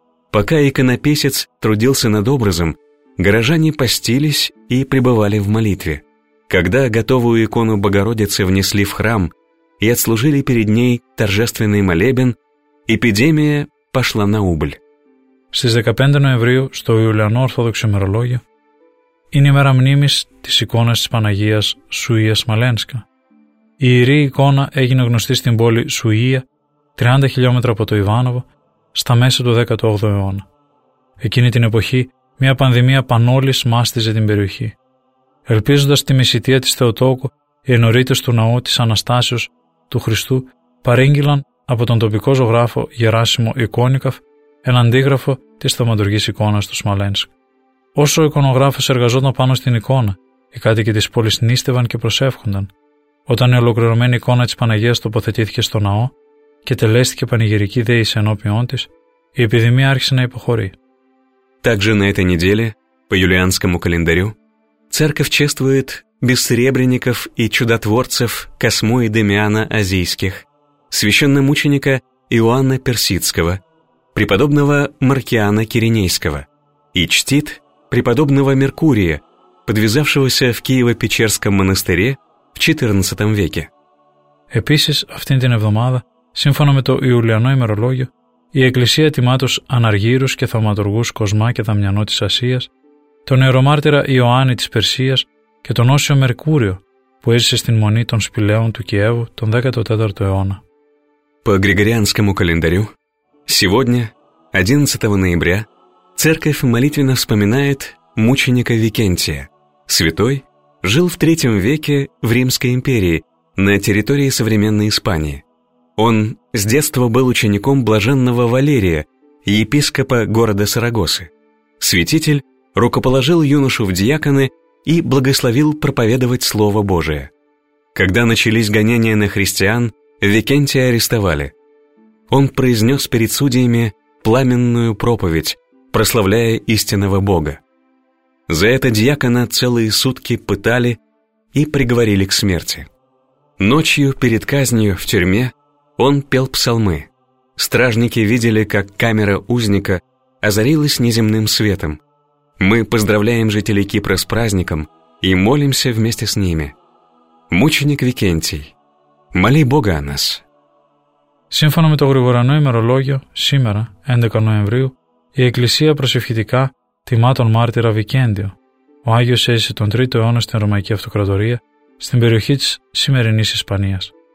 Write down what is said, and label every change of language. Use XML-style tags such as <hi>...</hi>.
<ru>Пока иконописец трудился над образом, горожане постились и пребывали в молитве. Когда готовую икону Богородицы внесли в храм и отслужили перед ней торжественный молебен, эпидемия пошла на убыль.</ru> <el>Στις 15 Νοεμβρίου, στο Ιουλιανό Ορθόδοξο ημερολόγιο, είναι η μέρα μνήμης της εικόνας της Παναγίας Σουία Σμαλένσκα. Η ιερή εικόνα έγινε γνωστή στην πόλη Σουία, 30 χιλιόμετρα από το Ιβάνοβο, στα μέσα του 18ου αιώνα. Εκείνη την εποχή, μια πανδημία πανόλης μάστιζε την περιοχή. Ελπίζοντας τη μεσητεία της Θεοτόκου, οι ενωρίτες του ναού της Αναστάσεως του Χριστού παρήγγειλαν από τον τοπικό ζωγράφο Γεράσιμο Εικόνικαφ ένα αντίγραφο της θαυματουργής εικόνας του Σμαλένσκ. Όσο ο εικονογράφος εργαζόταν πάνω στην εικόνα, οι κάτοικοι της πόλης νίστευαν και προσεύχονταν. Όταν η ολοκληρωμένη εικόνα της Παναγίας τοποθετήθηκε στο ναό και τελέστηκε πανηγυρική δέηση ενώπιόν της, η επιδημία άρχισε να υποχωρεί.</el> <ru>Также на этой неделе, по юлианскому календарю, церковь чествует бессребренников и чудотворцев Космо и Демиана Азийских, священномученика Иоанна Персидского, преподобного Маркиана Киренейского и чтит преподобного Меркурия, подвязавшегося в Киево-Печерском монастыре в XIV веке.</ru> <el>Επίσης, αυτήν την εβδομάδα, σύμφωνα με το Ιουλιανό ημερολόγιο, η Εκκλησία τιμά τους αναργύρους και θαυματουργούς Κοσμά και Δαμιανό της Ασίας, τον ιερομάρτυρα Ιωάννη της Περσίας και τον Όσιο Μερκούριο, που έζησε στην Μονή των Σπηλαίων του Κιέβου τον 14ο αιώνα.</el> <ru>По Григорианскому календарю, сегодня, 11 ноября, церковь молитвенно вспоминает мученика Викентия. Святой жил в III веке в Римской империи, на территории современной Испании. Он с детства был учеником блаженного Валерия, епископа города Сарагосы. Святитель рукоположил юношу в диаконы и благословил проповедовать Слово Божие. Когда начались гонения на христиан, Викентия арестовали. Он произнес перед судьями пламенную проповедь, прославляя истинного Бога. За это диакона целые сутки пытали и приговорили к смерти. Ночью перед казнью в тюрьме он пел псалмы. Стражники видели, как камера узника озарилась неземным светом. Мы поздравляем жителей Кипра с праздником и молимся вместе с ними. Мученик Викентий, моли Бога о нас.</ru> <el>Σύμφωνα με το Γρηγοριανό ημερολόγιο, σήμερα, 11 Νοεμβρίου, η Εκκλησία προσευχητικά τιμά τον μάρτυρα Βικέντιο. Ο Άγιος έζησε τον 3ο αιώνα στην Ρωμαϊκή Αυτοκρατορία, στην περιοχή της σημερινής Ισπανίας.</el>